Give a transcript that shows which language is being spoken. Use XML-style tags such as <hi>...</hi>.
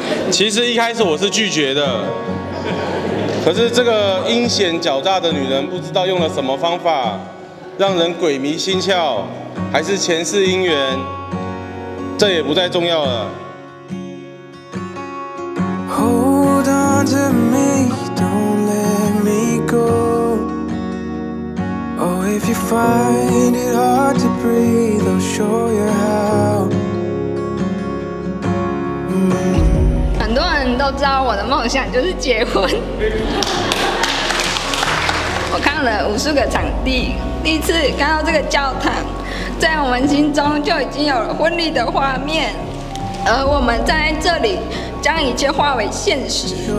<zh>其实一开始我是拒绝的，可是这个阴险狡诈的女人不知道用了什么方法让人鬼迷心窍，还是前世姻缘，这也不再重要了。</zh> <en>Hold on to me, don't let me goOh, if you find it hard to breathe, I'll show you how、 mm.</en> <zh>很多人都知道我的梦想就是结婚。我看了50个场地，第一次看到这个教堂，在我们心中就已经有了婚礼的画面，而我们站在这里，将一切化为现实。</zh>